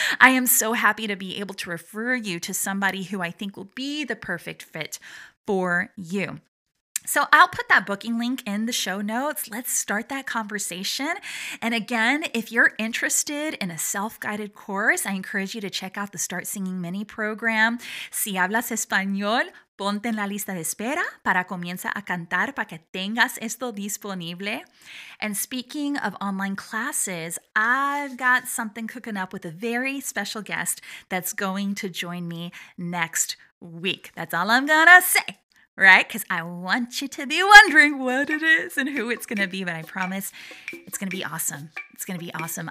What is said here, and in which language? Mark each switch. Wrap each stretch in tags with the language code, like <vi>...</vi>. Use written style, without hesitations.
<en>I am so happy to be able to refer you to somebody who I think will be the perfect fit for you. So I'll put that booking link in the show notes. Let's start that conversation. And again, if you're interested in a self-guided course, I encourage you to check out the Start Singing Mini program.</en> <es>Si hablas español, ponte en la lista de espera para comienza a cantar para que tengas esto disponible.</es> <en>And speaking of online classes, I've got something cooking up with a very special guest that's going to join me next week. That's all I'm gonna say. Right? Because I want you to be wondering what it is and who it's going to be, but I promise it's going to be awesome. It's going to be awesome.</en>